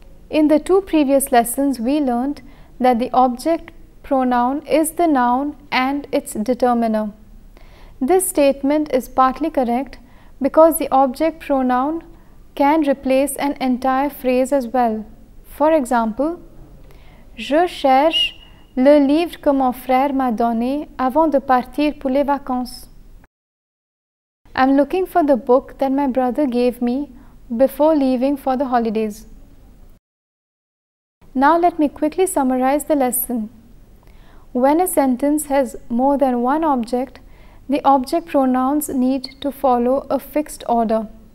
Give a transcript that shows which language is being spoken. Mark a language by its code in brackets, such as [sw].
[en] In the two previous lessons, we learned that the object pronoun is the noun and its determiner. This statement is partly correct because the object pronoun can replace an entire phrase as well. For example, [fr] je cherche le livre que mon frère m'a donné avant de partir pour les vacances. [en] I'm looking for the book that my brother gave me before leaving for the holidays. Now let me quickly summarize the lesson. When a sentence has more than one object, the object pronouns need to follow a fixed order.